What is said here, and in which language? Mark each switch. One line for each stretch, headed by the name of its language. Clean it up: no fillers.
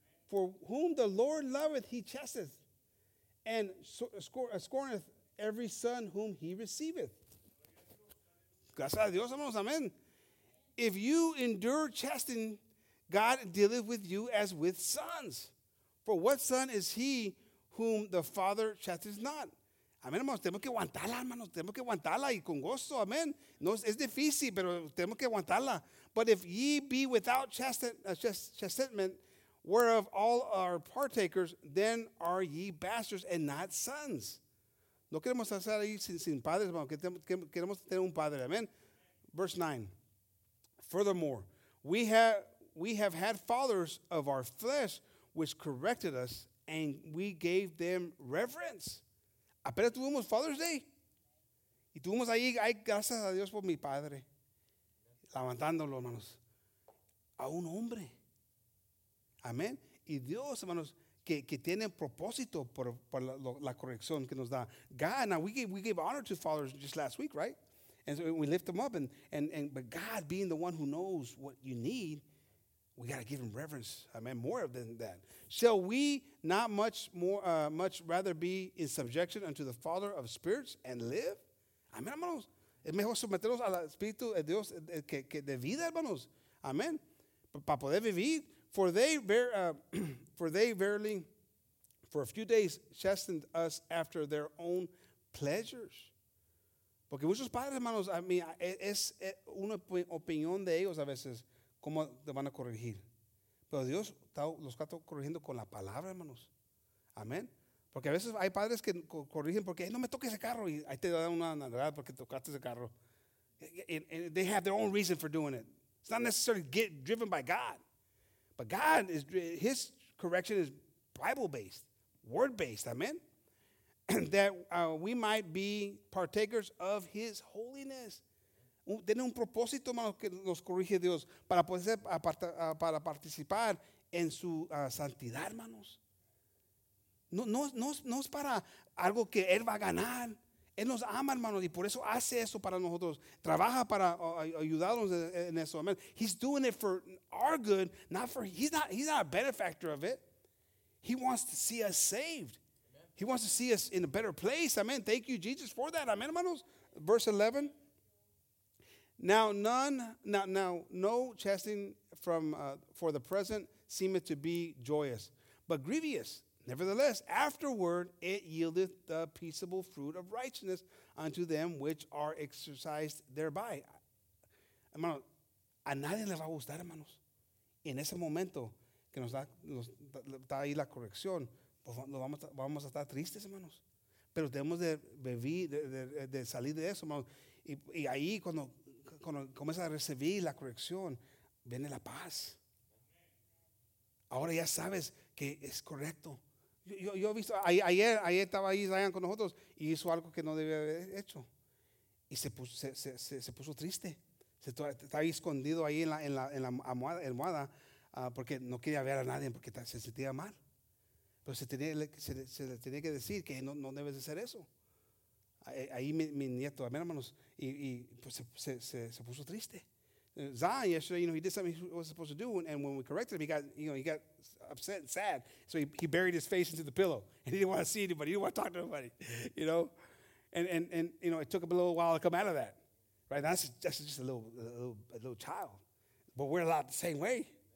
English: For whom the Lord loveth, he chasteth, and scorneth every son whom he receiveth.
Spanish: Gracias a Dios, hermanos. Amen.
English: If you endure chastening, God dealeth with you as with sons. For what son is he whom the father chasteneth not?
Spanish: Amén, hermanos, tenemos que aguantarla, hermanos, tenemos que aguantarla y con gozo, amén. No, es difícil, pero tenemos que aguantarla.
English: But if ye be without chastisement, whereof all are partakers, then are ye bastards and not sons.
Spanish: No queremos estar ahí sin padres, hermanos, queremos tener un padre, amén.
English: Verse 9. Furthermore, we have had fathers of our flesh which corrected us, and we gave them reverence.
Spanish: Apenas tuvimos Father's Day. Y tuvimos ahí, ay, gracias a Dios por mi padre. Levantándolo, hermanos. A un hombre. Amén. Y Dios, hermanos, que tiene propósito por la corrección que nos da.
English: God, now we gave honor to fathers just last week, right? And so we lift them up. And but God being the one who knows what you need, we got to give him reverence. Amen. More than that. Shall we not much rather be in subjection unto the Father of spirits and live?
Spanish: Amen, hermanos. Es mejor someternos al Espíritu de Dios que de vida, hermanos. Amen. Para poder vivir.
English: For they verily, for a few days, chastened us after their own pleasures.
Spanish: Porque muchos padres, hermanos,
English: I mean,
Spanish: es una opinión de ellos a veces. ¿Cómo te van a corregir? Pero Dios los está corrigiendo con la palabra, hermanos. Amén. Porque a veces hay padres que corrigen porque no me toques ese carro. Y ahí te dan una nalgada porque tocaste ese carro.
English: And they have their own reason for doing it. It's not necessarily driven by God. But God, his correction is Bible-based, word-based.
Spanish: Amén.
English: That we might be partakers of his holiness.
Spanish: Tiene un propósito, hermanos, que nos corrige Dios para poder para participar en su santidad, hermanos. No es para algo que Él va a ganar. Él nos ama, hermanos, y por eso hace eso para nosotros. Trabaja para ayudarnos en eso. Amen.
English: He's doing it for our good, not for he's not a benefactor of it. He wants to see us saved. Amen. He wants to see us in a better place. Amen. Thank you, Jesus, for that.
Spanish: Amen, hermanos.
English: Verse 11. No chastening from for the present seemeth to be joyous, but grievous. Nevertheless, afterward it yieldeth the peaceable fruit of righteousness unto them which are exercised thereby.
Spanish: Hermano, a nadie le va a gustar, hermanos. En ese momento que nos da ahí la corrección, pues vamos a estar tristes, hermanos. Pero tenemos de vivir, de salir de eso, hermanos. Y ahí cuando comienza a recibir la corrección, viene la paz. Ahora ya sabes que es correcto. Yo he visto, ayer estaba ahí Zion con nosotros y hizo algo que no debía haber hecho. Y se puso triste. Estaba ahí escondido ahí en la almohada porque no quería ver a nadie porque se sentía mal. Pero se le tenía que decir que no debes de hacer eso. Ahí mi nieto, amén, hermanos, y pues se puso triste.
English: Zion yesterday, you know, he did something he was supposed to do, and when we corrected him, he got upset and sad. So he buried his face into the pillow, and he didn't want to see anybody, he didn't want to talk to anybody, you know. And you know, it took a little while to come out of that, right? That's just a little child, but we're a lot the same way.